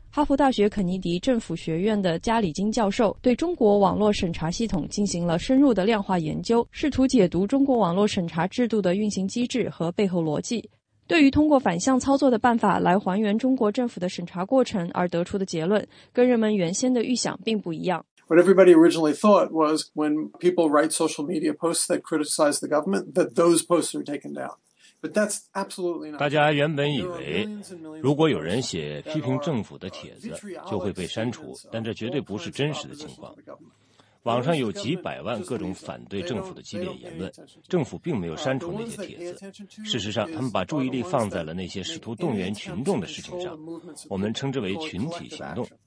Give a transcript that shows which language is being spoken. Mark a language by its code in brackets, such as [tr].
[zh] 哈佛大学肯尼迪政府学院的加里金教授对中国网络审查系统进行了深入的量化研究，试图解读中国网络审查制度的运行机制和背后逻辑。对于通过反向操作的办法来还原中国政府的审查过程而得出的结论，跟人们原先的预想并不一样。 [en] What everybody originally thought was when people write social media posts that criticize the government, that those posts are taken down. But that's absolutely not. [zh] 大家原本以为，如果有人写批评政府的帖子，就会被删除，但这绝对不是真实的情况。网上有几百万各种反对政府的激烈言论，政府并没有删除那些帖子。事实上，他们把注意力放在了那些试图动员群众的事情上，我们称之为群体行动。